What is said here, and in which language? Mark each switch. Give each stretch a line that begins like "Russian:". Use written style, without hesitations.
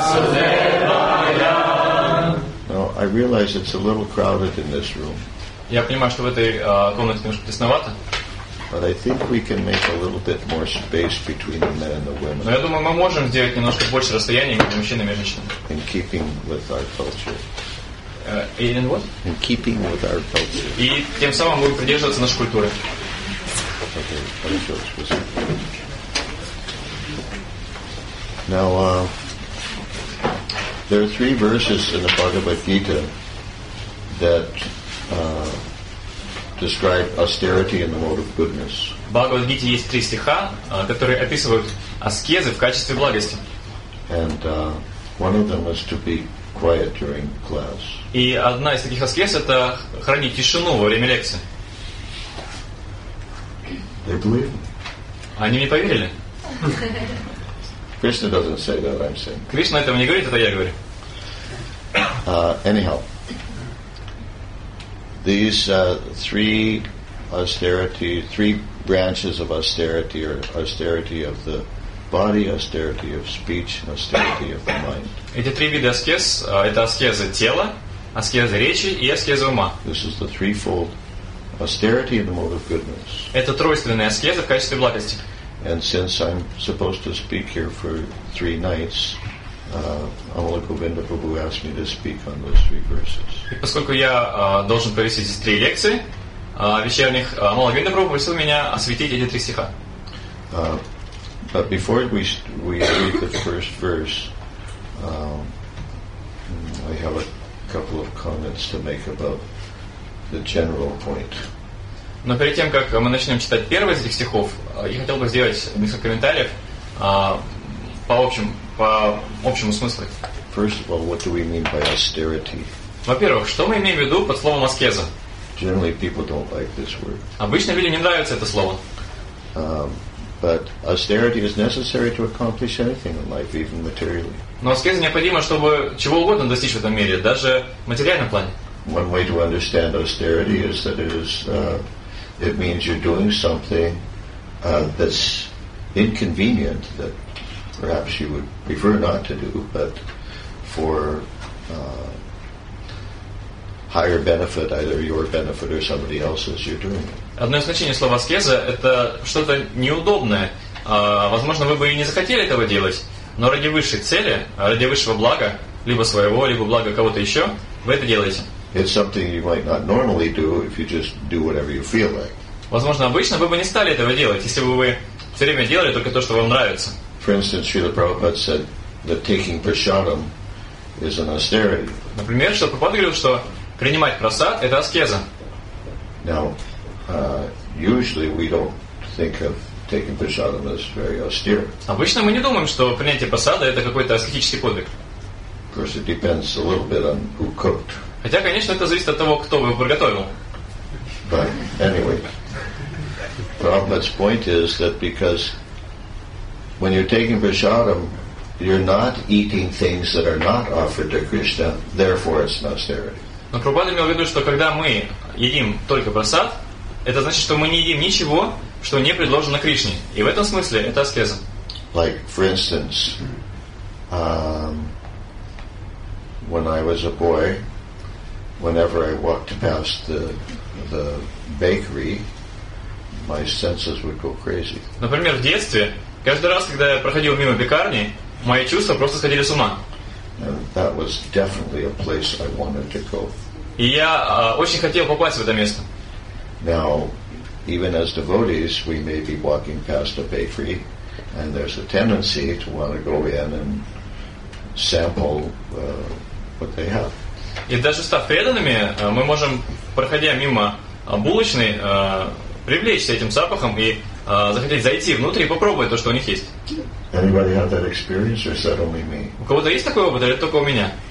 English: I realize it's a little crowded in this room.
Russian: Я понимаю, что в этой комнате немножко тесновато.
English: But I think we can make a little bit more space between the men and the women.
Russian: Но я думаю, мы можем сделать немножко больше расстояния между мужчинами и женщинами.
English: In keeping with our culture. In what? In keeping with our culture.
Russian: И тем самым будем придерживаться нашей культуры.
English: Okay. Now, there are three verses in the Bhagavad Gita that describe austerity in the mode of goodness.
Russian: В Бхагавад Гите есть три стиха, которые описывают аскезы в качестве благости.
English: And one of them is to be quiet during class.
Russian: И одна из таких аскез — это хранить тишину во время лекции.
English: They believe?
Russian: Они мне поверили?
English: Krishna doesn't say that, I'm saying.
Russian: Krishna этого не говорит, это я говорю.
English: Anyhow, these three branches of austerity are austerity of the body, austerity of speech, and austerity of the mind.
Russian: Эти три вида аскез — это аскезы тела, аскезы речи и аскезы ума.
English: This is the threefold austerity in the mode of goodness.
Russian: Это тройственные аскезы в качестве благости.
English: And since I'm supposed to speak here for three nights, Amala Govinda Prabhu asked me to speak on those three verses.
Russian: И поскольку я должен провести здесь три лекции вечерних, Амала Говинда Прабху просил меня осветить эти три стиха.
English: But before we read the first verse, I have a couple of comments to make about the general point.
Russian: Но перед тем, как мы начнем читать первый из этих стихов, я хотел бы сделать несколько комментариев по общему смыслу.
English: First of all, what do we mean by austerity?
Russian: Во-первых, что мы имеем в виду под словом аскеза?
English: Generally, people don't like this word.
Russian: Обычно люди не нравятся это слово.
English: But austerity is necessary to accomplish anything in life, even materially.
Russian: Но аскеза необходима, чтобы чего угодно достичь в этом мире, даже в материальном плане.
English: One way to understand austerity is that it is... It means you're doing something that's inconvenient, that perhaps you would prefer not to do, but for higher benefit, either your benefit or somebody else's, you're doing it.
Russian: Одно из значений слова аскеза — это что-то неудобное. Возможно, вы бы и не захотели этого делать, но ради высшей цели, ради высшего блага, либо своего, либо блага кого-то еще, вы это делаете.
English: It's something you might not normally do if you just do whatever you feel like.
Russian: Возможно, обычно вы бы не стали этого делать, если бы вы все время делали только то, что вам нравится.
English: For instance, Srila Prabhupada said that taking prasadam is an austerity.
Russian: Например, Шрила Прабхупада говорил, что принимать прасад – это аскеза.
English: Now, usually we don't think of taking prasadam as very austere.
Russian: Обычно мы не думаем, что принятие прасада – это какой-то аскетический подвиг.
English: Of course, it depends a little bit on who cooked.
Russian: Хотя, конечно, это зависит от того, кто его приготовил.
English: But anyway, Prabhupada's point is that because when you're taking prasadam, you're not eating things that are not offered to Krishna, therefore it's an austerity.
Russian: Но Прабхупада имел в виду, что когда мы едим только прасад, это значит, что мы не едим ничего, что не предложено Кришне. И в этом смысле это аскеза.
English: Like, for instance, when I was a boy, whenever I walked past the bakery, my senses would go crazy.
Russian: Например, в детстве, каждый раз, когда я проходил мимо пекарни, мои чувства просто сходили с ума.
English: And that was definitely a place I wanted to go.
Russian: И я очень хотел попасть в это место.
English: Now, even as devotees, we may be walking past a bakery, and there's a tendency to want to go in and sample what they have.
Russian: И даже став преданными, мы можем, проходя мимо булочной, привлечься этим запахом и захотеть зайти внутрь и попробовать то, что у них есть.
English: Have that or is that only me?
Russian: У кого-то есть такой опыт, или это только у меня?